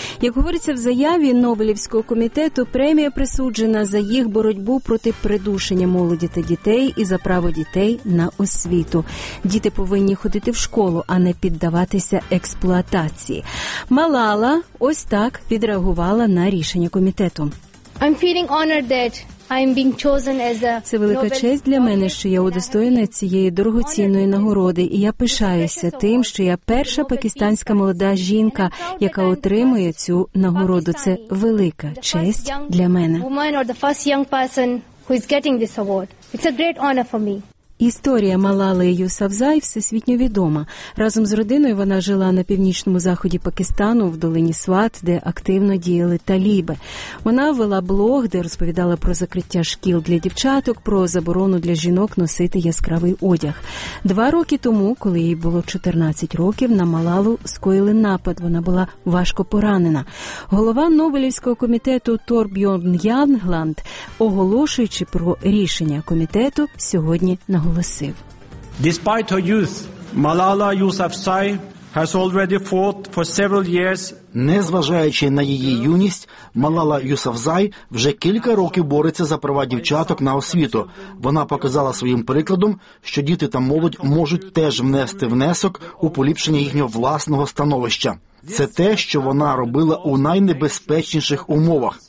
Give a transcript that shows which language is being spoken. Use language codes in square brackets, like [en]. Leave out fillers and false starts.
[uk] Як говориться в заяві Нобелівського комітету, премія присуджена за їх боротьбу проти придушення молоді та дітей і за право дітей на освіту. Діти повинні ходити в школу, а не піддаватися експлуатації. Малала ось так відреагувала на рішення комітету. [en] I'm feeling honored that I'm being chosen as a [uk] це велика честь для мене, що я удостоєна цієї дорогоцінної нагороди, і я пишаюся тим, що я перша пакистанська молода жінка, яка отримує цю нагороду. Це велика честь для мене. Історія Малали Юсафзай всесвітньо відома. Разом з родиною вона жила на північному заході Пакистану, в долині Сват, де активно діяли таліби. Вона вела блог, де розповідала про закриття шкіл для дівчаток, про заборону для жінок носити яскравий одяг. Два роки тому, коли їй було 14 років, на Малалу скоїли напад. Вона була важко поранена. Голова Нобелівського комітету Торбьорн Янгланд, оголошуючи про рішення комітету, сьогодні на голосив. [en] Despite her youth, Malala Yousafzai has already fought for several years. [uk] Незважаючи на її юність, Малала Юсафзай вже кілька років бореться за права дівчаток на освіту. Вона показала своїм прикладом, що діти та молодь можуть теж внести внесок у поліпшення їхнього власного становища. Це те, що вона робила у найнебезпечніших умовах.